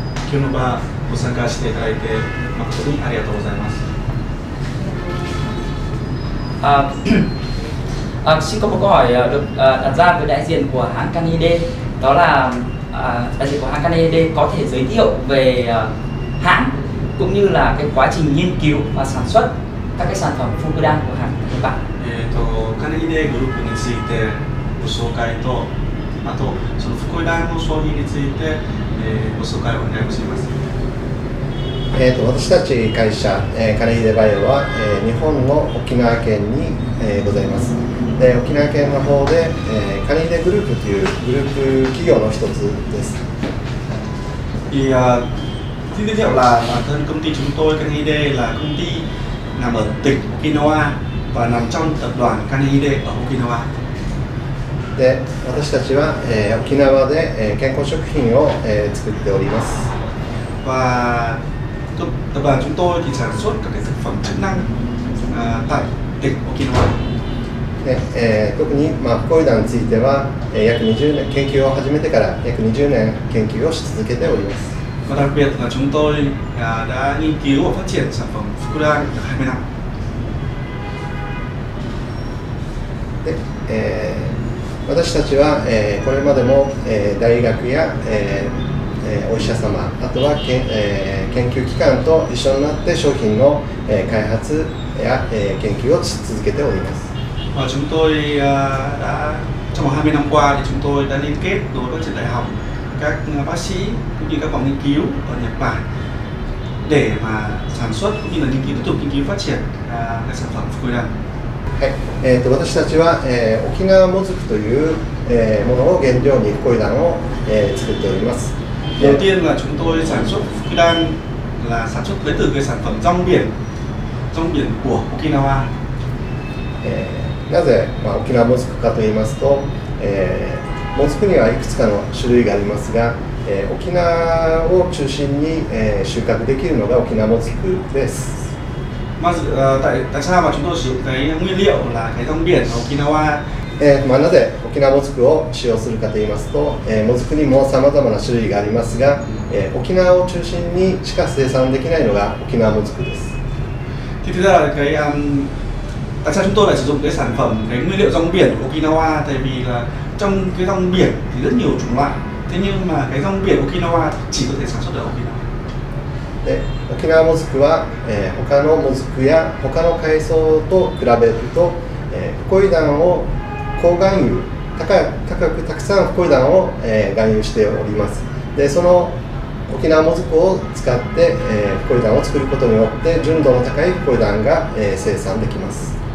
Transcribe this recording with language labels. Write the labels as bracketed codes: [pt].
[ja] Kyono ba, ご参加していただいて誠にありがとうございます。 [vi] Xin có một câu hỏi được đặt ra với đại diện của hãng Kanae Hide, đó là đại diện của hãng Kanae Hide có thể giới thiệu về hãng cũng như là cái quá trình nghiên cứu và sản xuất các cái sản phẩm Fukuidan của hãng các bạn. [ja] Kanae Hide Group についてご紹介と、あとその Fukuidan の商品についてご紹介をお願いします。私たち会社、Kanae Hide Bio は、日本の沖縄県に、ございます。で、沖縄県の方で、Kanae Hide グループというグループ企業の一つです。 [vi] いや、tiếp theo là bản thân công ty chúng tôi Kanae Hide là công ty nằm ở tỉnh Okinawa và nằm trong tập đoàn Kanae Hide ở Okinawa。 [ja] で、私たちは、沖縄で、健康食品を、作っております。 [vi] và tập đoàn chúng tôi thì sản xuất các cái thực phẩm chức năng tại tỉnh Okinawa. Đặc biệt là Fukuidan về thì là khoảng 20 năm nghiên cứu bắt đầu từ khoảng 20 năm nghiên cứu. Và đặc biệt là chúng tôi đã nghiên cứu và phát triển sản phẩm Fukuidan được 20 năm. [ja] Đặc 私たちは、これまでも、大学や、お医者様、あとは、研究機関と一緒になって商品の、開発や、研究を続けております。 [vi] まあ、chúng tôi đã trong 20 năm qua thì chúng tôi đã liên kết đối với trường đại học, các bác sĩ cũng như các phòng nghiên cứu ở Nhật Bản để mà sản xuất cũng như là nghiên cứu, tiếp tục nghiên cứu phát triển các sản phẩm Fukuidan。 [ja] はい、私たちは、沖縄もずくという、ものを原料にフクイダンを、作っております。 [vi] đầu tiên là chúng tôi sản xuất Fukuidan là sản xuất lấy từ cái sản phẩm rong biển của Okinawa. [ja] なぜ、まあ、沖縄もずくかと言いますと、もずくにはいくつかの種類がありますが、沖縄を中心に、収穫できるのが沖縄もずくです。 [vi] まず、tại sao mà chúng tôi sử dụng cái nguyên liệu là cái rong biển ở Okinawa。 [ja] まあ、なぜ沖縄もずくを使用するかといいますと、もずくにもさまざまな種類がありますが、沖縄を中心にしか生産できないのが沖縄もずくです。 [vi] thì thực ra là cái tại sao chúng tôi lại sử dụng cái sản phẩm cái nguyên liệu rong biển của Okinawa, tại vì là trong cái rong biển thì rất nhiều chủng loại, thế nhưng mà cái rong biển Okinawa chỉ có thể sản xuất ở Okinawa。 [ja] で、沖縄もずくは、他のもずくや他の海藻と比べると、フクイダンを高含有、高くたくさんフクイダンを、含有しております。で、その沖縄もずくを使って、フクイダンを作ることによって、純度の高いフクイダンが、生産できます。